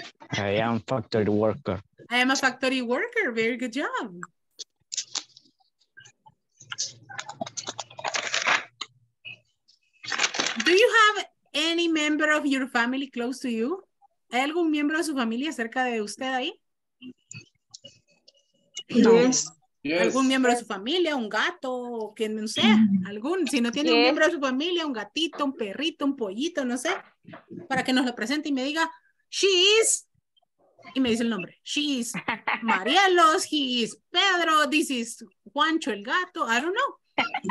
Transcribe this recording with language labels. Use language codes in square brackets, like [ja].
[en] I am a factory worker. I am a factory worker. Very good job. Do you have any member of your family close to you? [es] ¿Hay algún miembro de su familia cerca de usted ahí? [en] Yes. [es] ¿Algún miembro de su familia, un gato, quien no sea? ¿Algún? Si no tiene un miembro de su familia, un gatito, un perrito, un pollito, no sé. Para que nos lo presente y me diga, [en] she is, [es] y me dice el nombre. [en] She is Marielos, he is Pedro, this is Juancho [es] el gato, [en] I don't know.